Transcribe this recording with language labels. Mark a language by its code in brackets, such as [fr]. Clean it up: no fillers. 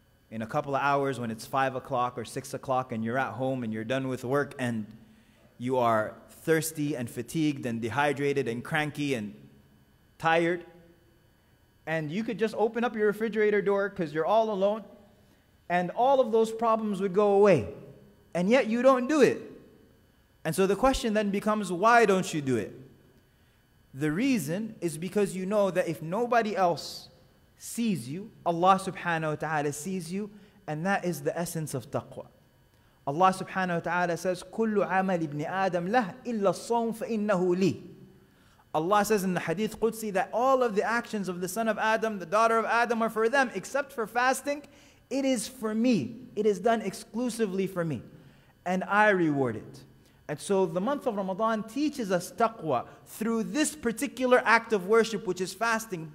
[en] In a couple of hours when it's 5 o'clock or 6 o'clock and you're at home and you're done with work and you are thirsty and fatigued and dehydrated and cranky and tired, and you could just open up your refrigerator door because you're all alone, and all of those problems would go away. And yet you don't do it. And so the question then becomes, why don't you do it? The reason is because you know that if nobody else sees you, Allah subhanahu wa ta'ala sees you, and that is the essence of taqwa. [ar] Allah subhanahu wa ta'ala says, كُلُّ عَمَلِ ابْنِ آدَمْ لَهْ إِلَّا الصَّوْمْ فَإِنَّهُ لِي. [en] Allah says in the hadith Qudsi that all of the actions of the son of Adam, the daughter of Adam, are for them, except for fasting. It is for me. It is done exclusively for me. And I reward it. And so the month of Ramadan teaches us taqwa through this particular act of worship, which is fasting.